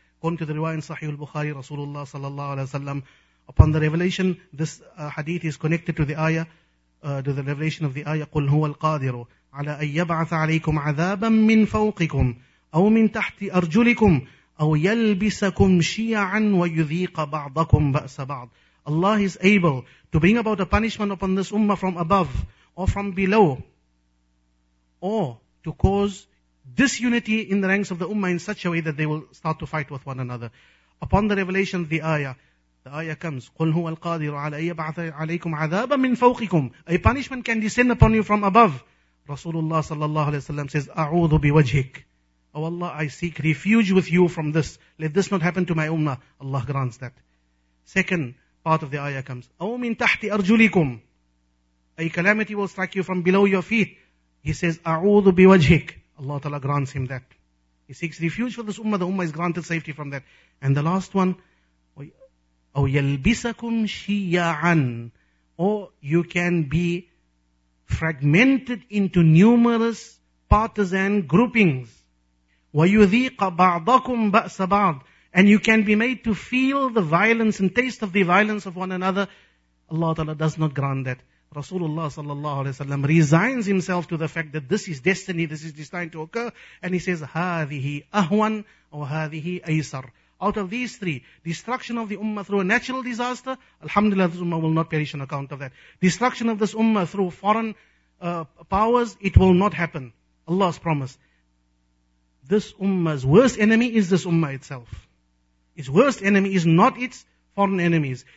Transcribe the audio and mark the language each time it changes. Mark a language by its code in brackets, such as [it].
[en] According to the riwayah in Sahih al-Bukhari, Rasulullah sallallahu alayhi wa sallam, upon the revelation, this hadith is connected to the ayah, to the revelation of the ayah, [ar] قُلْ هُوَ الْقَادِرُ عَلَىٰ أَن يَبْعَثَ عَلَيْكُمْ عَذَابًا مِّن فَوْقِكُمْ أَوْ مِّن تَحْتِ أَرْجُلِكُمْ أَوْ يَلْبِسَكُمْ شِيَعًا وَيُذِيقَ بَعْضَكُمْ بَأْسَ بَعْضٍ. [en] Allah is able to bring about a punishment upon this ummah from above or from below, or to cause disunity in the ranks of the ummah in such a way that they will start to fight with one another. Upon the revelation of the ayah comes, [ar] قُلْ هُوَ الْقَادِرُ عَلَىٰ أَن يَبْعَثَ عَلَيْكُمْ عَذَابًا مِّن فَوْقِكُمْ. [en] A punishment can descend upon you from above. Rasulullah sallallahu alayhi wa sallam says, [ar] أَعُوذُ بِوَجْهِكَ. [en] Oh Allah, I seek refuge with you from this. Let this not happen to my ummah. Allah grants that. Second part of the ayah comes, [ar] أَوْ مِن تَحْتِ أَرْجُلِكُمْ. [en] A calamity will strike you from below your feet. He says, [ar] أَعُوذُ بِوَجْهِكَ. [en] Allah Ta'ala grants him that. He seeks refuge for this ummah. The ummah is granted safety from that. And the last one, [ar] أَوْ يَلْبِسَكُمْ شِيَّعًا. [en] Or you can be fragmented into numerous partisan groupings. [ar] وَيُذِيقَ بَعْضَكُمْ بَأْسَ بَعْضٍ. [en] And you can be made to feel the violence and taste of the violence of one another. Allah Ta'ala does not grant that. Rasulullah sallallahu alayhi wa sallam resigns himself to the fact that this is destiny, this is destined to occur. And he says, [ar] هَذِهِ أَهْوَنْ وَهَذِهِ أَيْسَرْ. [en] Out of these three, destruction of the ummah through a natural disaster, alhamdulillah, this ummah will not perish on account of that. Destruction of this ummah through foreign powers, it will not happen. Allah's promise. This ummah's worst enemy is this ummah itself. Its worst enemy is not its foreign enemies.